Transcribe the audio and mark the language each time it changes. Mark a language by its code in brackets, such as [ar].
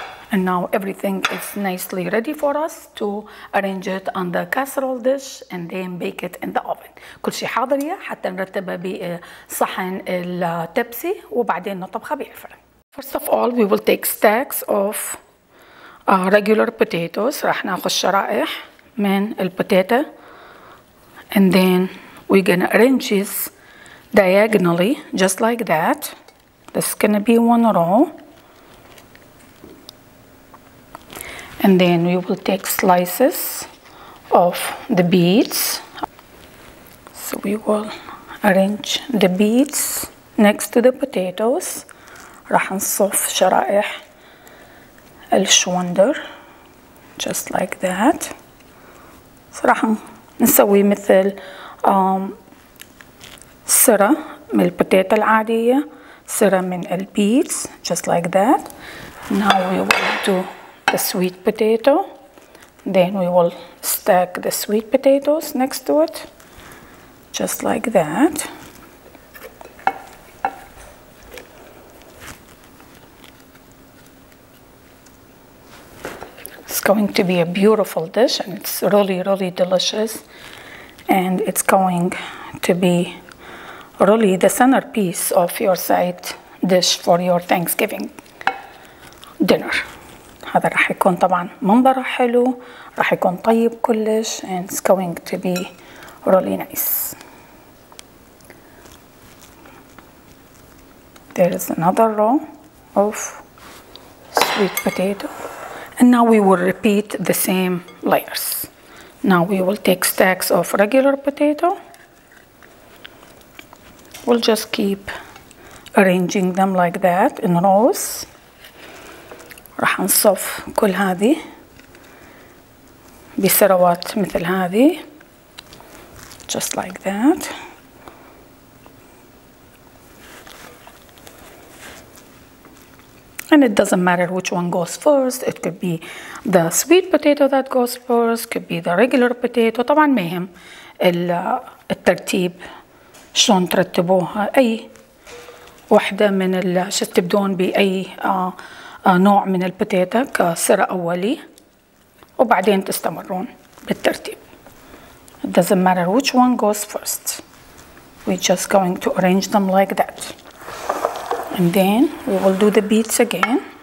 [en] And now everything is nicely ready for us to arrange it on the casserole dish and then bake it in the oven. [ar] كل شيء حاضر يا حتى نرتبه بصحن التبسي وبعدين نطبخه بالفرن. [en] First of all we will take stacks of regular potatoes. [ar] راح ناخذ شرائح من البوتيتا [en] and then we're gonna arrange this diagonally just like that. This is gonna be one row. And then we will take slices of the beets. So we will arrange the beets next to the potatoes. [ar] راح نصف شرائح الشوندر [en] just like that. So [ar] راح نسوي مثل سرة من البوتيتا العادية، سرة من البيتس [en] just like that. Now we will do the sweet potato. Then we will stack the sweet potatoes next to it just like that. It's going to be a beautiful dish and it's really really delicious and it's going to be really the centerpiece of your side dish for your Thanksgiving dinner. [ar] هذا راح يكون طبعا منظره حلو، راح يكون طيب كلش [en] and it's going to be really nice. There is another row of sweet potato and now we will repeat the same layers. Now we will take stacks of regular potato. We'll just keep arranging them like that in rows. [ar] راح نصف كل هذه بسروات مثل هذه [en] just like that. And it doesn't matter which one goes first. It could be the sweet potato that goes first. Could be the regular potato. [ar] طبعا ما يهم الترتيب شلون ترتبوها أي واحدة من ال شو تبدون بأي نوع من البوتيتا كسر أولي وبعدين تستمرون بالترتيب. [en] It doesn't matter which one goes first. We're just going to arrange them like that. And then we will do the beets again.